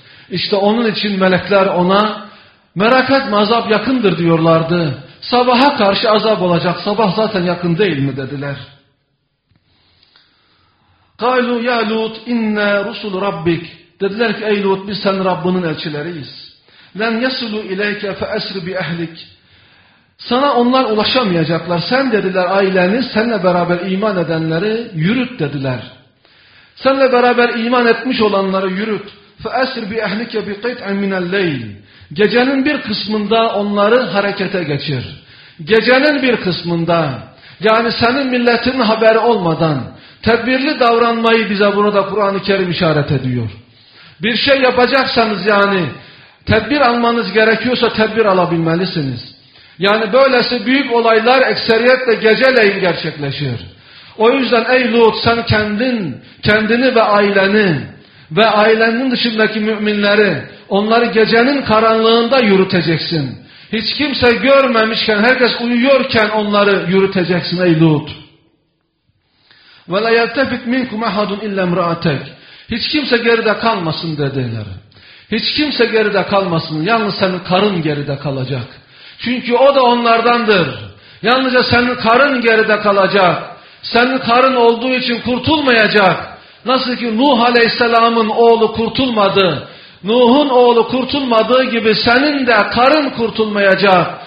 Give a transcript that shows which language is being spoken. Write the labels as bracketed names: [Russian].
[Turkish] İşte onun için melekler ona, merak etme azap yakındır diyorlardı. Sabaha karşı azap olacak, sabah zaten yakın değil mi dediler. [Arabic] قَالُوا يَا لُوتْ اِنَّا رُسُلُ رَبِّكْ [Turkish] Dediler ki ey Lut, biz senin Rabbinin elçileriyiz. [Arabic] لَنْ يَسُلُوا اِلَيْكَ فَأَسْرِ بِأَهْلِكْ [Turkish] Sana onlar ulaşamayacaklar. Sen dediler aileni, seninle beraber iman edenleri yürüt dediler. Seninle beraber iman etmiş olanları yürüt. [Arabic] فَأَسْرِ بِأَهْلِكَ بِقِطْعٍ مِنَ اللَّيْلِ [Turkish] Gecenin bir kısmında onları harekete geçir. Gecenin bir kısmında, yani senin milletin haberi olmadan, tedbirli davranmayı bize bunu da Kur'an-ı Kerim işaret ediyor. Bir şey yapacaksanız yani, tedbir almanız gerekiyorsa tedbir alabilmelisiniz. Yani böylesi büyük olaylar ekseriyetle geceleyin gerçekleşir. O yüzden ey Lut, sen kendini ve aileni ve ailenin dışındaki müminleri, onları gecenin karanlığında yürüteceksin. Hiç kimse görmemişken, herkes uyuyorken onları yürüteceksin ey Lut. [Arabic] وَلَا يَلْتَفِتْ مِنْكُمْ اَحَدٌ اِلَّا مْرَاتَكْ [Turkish] Hiç kimse geride kalmasın dediler. Hiç kimse geride kalmasın. Yalnız senin karın geride kalacak. Çünkü o da onlardandır. Yalnızca senin karın geride kalacak. Senin karın olduğu için kurtulmayacak. Nasıl ki Nuh Aleyhisselam'ın oğlu kurtulmadı. Nuh'un oğlu kurtulmadığı gibi senin de karın kurtulmayacak.